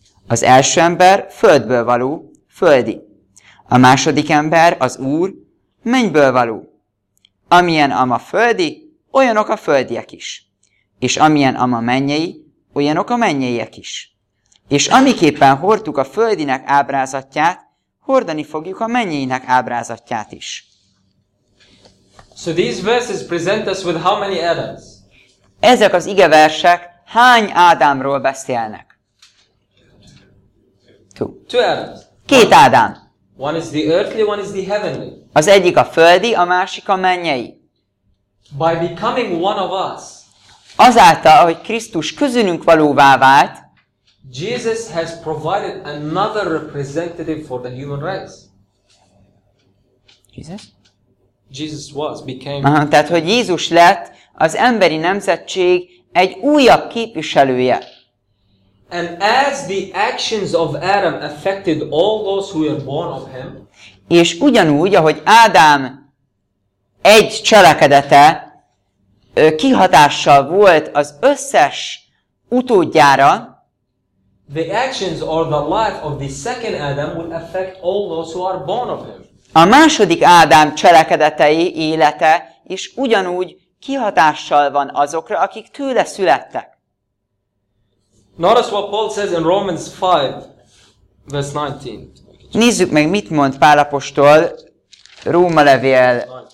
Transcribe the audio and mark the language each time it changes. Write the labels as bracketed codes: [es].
[hu] Az első ember földből való, földi. A második ember az Úr, mennyből való. Amilyen ama földi, olyanok a földiek is. És amilyen ama mennyei, olyanok a mennyeiek is. És amiképpen hordtuk a földinek ábrázatját, hordani fogjuk a mennyeinek ábrázatját is. [en] So these verses present us with how many Adams? [hu] Ezek az igeversek hány Ádámról beszélnek? [en] Two Adams. [hu] Két Ádám. [en] One is the earthly, one is the heavenly. [hu] Az egyik a földi, a másik a mennyei. [en] By becoming one of us. [hu] Azáltal, hogy Krisztus közülünk valóvá vált, [en] Jesus has provided another representative for the human race. Jesus was became. [hu] Aha, tehát hogy Jézus lett az emberi nemzetség egy újabb képviselője. [en] And as the actions of Adam affected all those who were born of him. [hu] És ugyanúgy, ahogy Ádám egy cselekedete kihatással volt az összes utódjára, [en] the actions or the life of the second Adam will affect all those who are born of him. [hu] A második Ádám cselekedetei, élete is ugyanúgy kihatással van azokra, akik tőle születtek. [en] Notice what Paul says in Romans 5, verse 19. [hu] Nézzük meg, mit mond Pál apostol Róma levél.